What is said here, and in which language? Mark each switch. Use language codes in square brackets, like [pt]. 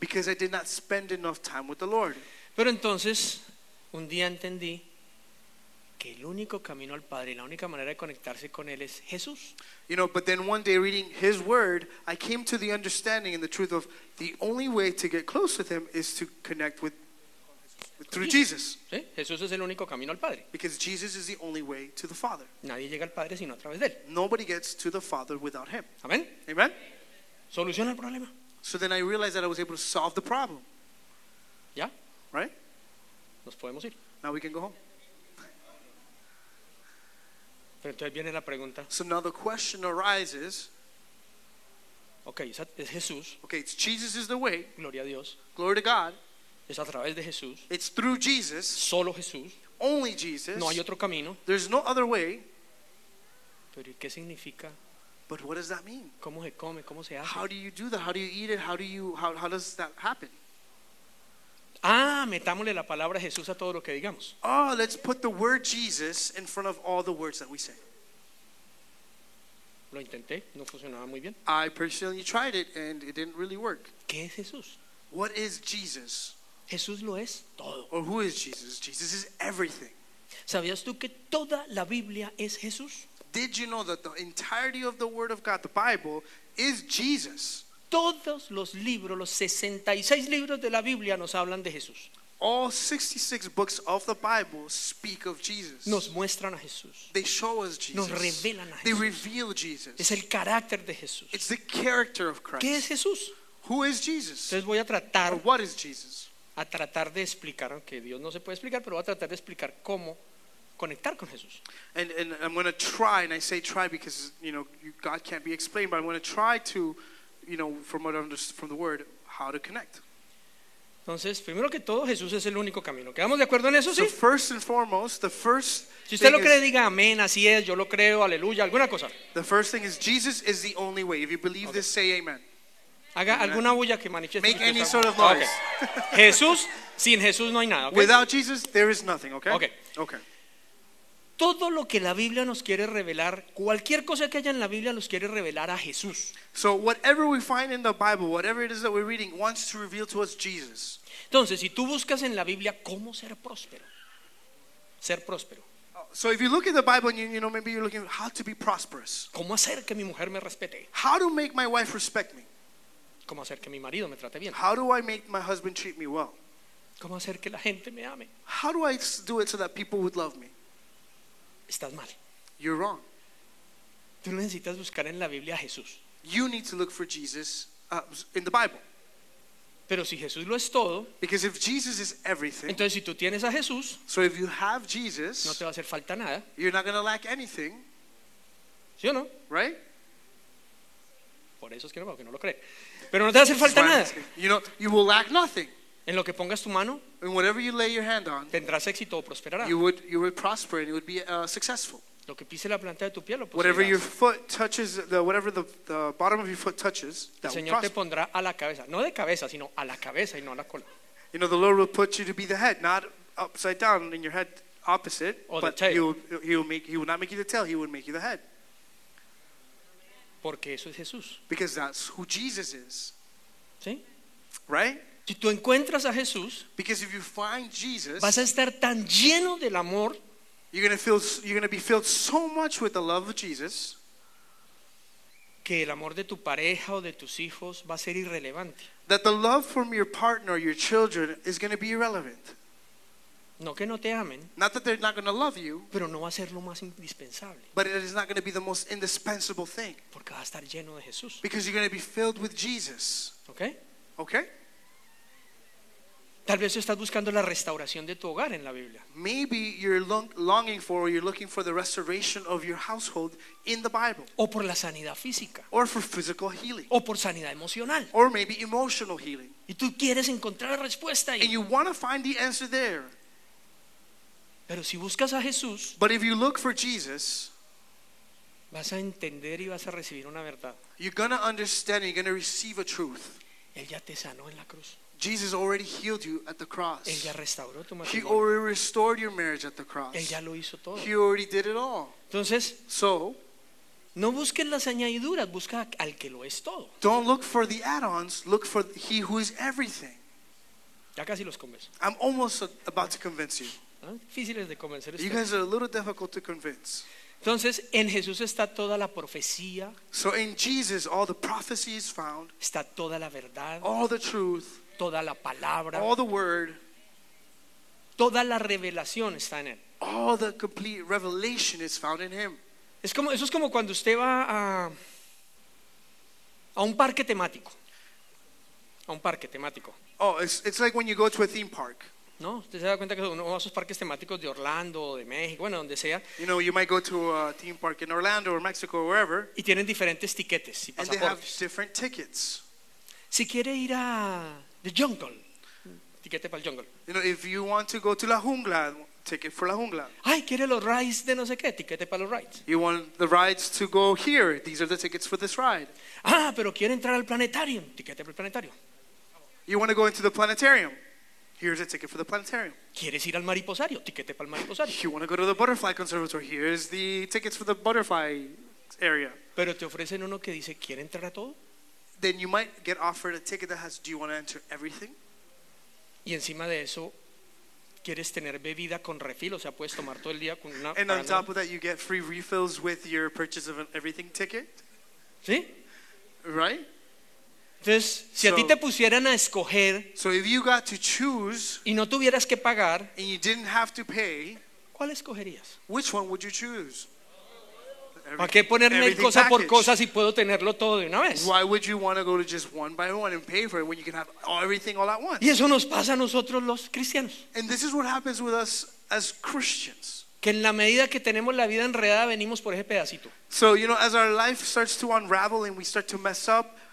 [en] Because I did not spend enough time with the Lord. [es] Pero entonces, un día entendí que el único camino al Padre y la única manera de conectarse con Él es Jesús. [en] You know, but then one day reading His Word, I came to the understanding and the truth of the only way to get close with Him is to connect with through Jesus. [es] ¿Sí? Jesús es el único camino al Padre. [en] Because Jesus is the only way to the Father. [es] Nadie llega al Padre sino a través de Él. [en] Nobody gets to the Father without Him. [es] Amén. [en] Amen. [es] Soluciona el problema. [en] So then I realized that I was able to solve the problem. [es] ¿Ya? [en] Right? [es] Nos podemos ir. [en] Now we can go home. [es] Pero entonces viene la pregunta. [en] So now the question arises. [es] Okay, es Jesús. [en] Okay, it's Jesus is the way. [es] Gloria a Dios. [en] Glory to God. [es] Es a través de Jesús. [en] It's through Jesus. [es] Solo Jesús. [en] Only Jesus. [es] No hay otro camino. [en] There's no other way. [es] Pero ¿qué significa? [en] But what does that mean? [es] ¿Cómo se come? ¿Cómo se hace? [en] How do you do that? How do you eat it? How does that happen? [es] Ah, metámosle la palabra Jesús a todo lo que digamos. [en] Oh, let's put the word Jesus in front of all the words that we say. [es] Lo intenté, no funcionaba muy bien. [en] I personally tried it and it didn't really work. [es] ¿Qué es Jesús? [en] What is Jesus? [es] Jesús lo es todo. [en] Or who is Jesus? Jesus is everything. [es] ¿Sabías tú que toda la Biblia es Jesús? [en] Did you know that the entirety of the Word of God, the Bible, is Jesus? [es] Todos los libros, los 66 libros de la Biblia nos hablan de Jesús. [en] All 66 books of the Bible speak of Jesus. [es] Nos muestran a Jesús. [en] They show us Jesus. [es] Nos revelan a Jesús. [en] They reveal Jesus. [es] Es el carácter de Jesús. [en] It's the character of Christ. [es] ¿Qué es Jesús? [en] Who is Jesus? [es] Entonces voy a tratar. [en] Or what is Jesus? [es] A tratar de explicar, aunque Dios no se puede explicar, pero voy a tratar de explicar cómo conectar con Jesús. [en] And I'm going to try, and I say try because, you know, God can't be explained, but I'm going to try to, you know, from what I understand from the word, how to connect. [es] Entonces, primero que todo, Jesús es el único camino. ¿Quedamos de acuerdo en eso, sí? [en] So first and foremost, the first [es] thing. Si usted lo cree, diga amén, así es, yo lo creo, aleluya, alguna cosa. [en] The first thing is Jesus is the only way. If you believe this, say amen. [es] Haga alguna bulla que manifieste. [en] Make any sort of noise. [es] Okay. Jesús, sin Jesús no hay nada, okay? [en] Without Jesus, there is nothing, okay? Okay. Okay. [es] Todo lo que la Biblia nos quiere revelar, cualquier cosa que haya en la Biblia nos quiere revelar a Jesús. [en] So whatever we find in the Bible, whatever it is that we're reading, wants to reveal to us Jesus. [es] Entonces, si tú buscas en la Biblia cómo ser próspero. Ser próspero. [en] So if you look in the Bible and you know, maybe you're looking at how to be prosperous. [es] ¿Cómo hacer que mi mujer me respete? [en] How to make my wife respect me? [es] ¿Cómo hacer que mi marido me trate bien? [en] How do I make my husband treat me well? [es] ¿Cómo hacer que la gente me ame? [en] How do I do it so that people would love me? [es] Estás mal. [en] You're wrong. [es] Tú necesitas buscar en la Biblia a Jesús. [en] You need to look for Jesus in the Bible. [es] Pero si Jesús lo es todo, [en] because if Jesus is everything, [es] entonces si tú tienes a Jesús, [en] so if you have Jesus, [es] no te va a hacer falta nada. [en] You're not going to lack anything. [es] ¿Sí o no? [en] Right? [es] Por eso es que no lo cree. Pero no te va a hacer falta nada. [en] You know, you will lack nothing. [es] En lo que pongas tu mano, [en] and whatever you lay your hand on, [es] tendrás éxito o prosperará. [en] You would prosper and you would be successful. [es] Lo que pise la planta de tu pie, lo poseerás. [en] Whatever your foot touches, whatever the bottom of your foot touches, that [es] el Señor te pondrá a la cabeza, no de cabeza, sino a la cabeza y no a la cola. [en] You know, the Lord will put you to be the head, not upside down in your head opposite, [es] o [en] but he will not make you the tail, he will make you the head. [es] Porque eso es Jesús. [en] Because that's who Jesus is. [es] ¿Sí? [en] Right? [es] Si tú encuentras a Jesús, [en] because if you find Jesus, [es] vas a estar tan lleno del amor, [en] you're gonna be filled so much with the love of Jesus, [es] que el amor de tu pareja o de tus hijos va a ser irrelevante. [en] That the love from your partner or your children is going to be irrelevant. [es] No que no te amen, [en] not that they're not going to love you, [es] pero no va a ser lo más indispensable. [en] But it is not going to be the most indispensable thing. [es] Porque va a estar lleno de Jesús. [en] Because you're going to be filled with Jesus. Okay? Okay? [es] Tal vez estás buscando la restauración de tu hogar en la Biblia. [en] Maybe you're longing for or you're looking for the restoration of your household in the Bible. [es] O por la sanidad física. [en] Or for physical healing. [es] O por sanidad emocional. [en] Or maybe emotional healing. [es] Y tú quieres encontrar la respuesta ahí. [en] And you want to find the answer there. [es] Pero si buscas a Jesús, [en] but if you look for Jesus, [es] Vas a entender y vas a recibir una verdad. [en] You're going to understand and you're going to receive a truth. [es] Él ya te sanó en la cruz. [en] Jesus already healed you at the cross. [es] Él ya restauró tu matrimonio. [en] He already restored your marriage at the cross. [es] Él ya lo hizo todo. [en] He already did it all. [es] Entonces, [en] so, [es] no busques las añadiduras, busca al que lo es todo. [en] Don't look for the add-ons, look for he who is everything. [es] Ya casi los convenzo. [en] I'm almost about to convince you. [es] Difíciles de convencer. [en] You guys are a little difficult to convince. [es] Entonces, en Jesús está toda la profecía. [en] So in Jesus, all the prophecy is found. [es] Está toda la verdad. [en] All the truth. [es] Toda la palabra. [en] All the word. [es] Toda la revelación está en él. [en] All the complete revelation is found in him. [es] Es como, eso es como cuando usted va a un parque temático. A un parque temático. [en] Oh, it's like when you go to a theme park. [es] No, usted se da cuenta que uno va a esos parques temáticos de Orlando o de México, bueno, donde sea. [en] You know, you might go to a theme park in Orlando or Mexico or wherever. [es] Y tienen diferentes tiquetes y pasaportes. [en] And they have different tickets. [es] Si quiere ir a [en] the jungle, [es] tiquete para el jungle. [en] You know, if you want to go to [es] la jungla, [en] ticket for la jungla. [es] Ay, quiere los rides de no sé qué, tiquete para los rides. [en] You want the rides to go here, these are the tickets for this ride. [es] Ah, pero quiere entrar al planetarium, tiquete para el planetario. [en] You want to go into the planetarium. Here's a ticket for the planetarium. [es] ¿Quieres ir al mariposario? Tiquete para el mariposario. [en] You want to go to the butterfly conservatory. Here's the tickets for the butterfly area. [es] Pero te ofrecen uno que dice, ¿quiere entrar a todo? [en] Then you might get offered a ticket that has, do you want to enter everything? [es] Y encima de eso, ¿quieres tener bebida con refil? O sea, puedes tomar todo el día con una... [en] And on top of that, you get free refills with your purchase of an everything ticket. [es] ¿Sí? [en] Right? [es] Entonces, si a ti te pusieran a escoger, [en] so if you got to choose, [es] y no tuvieras que pagar, [en] and you didn't have to pay, [es] ¿cuál escogerías? [en] Which one would you choose? [es] ¿Para qué ponerme cosa [en] package? [es] Por cosa si puedo tenerlo todo de una vez? [en] Why would you want to go to just one by one and pay for it when you can have everything all at once? [es] Y eso nos pasa a nosotros los cristianos. [en] And this is what happens with us as Christians. [es] Que en la medida que tenemos la vida enredada, venimos por ese pedacito. [en] So you know, as our life starts to unravel and we start to mess up.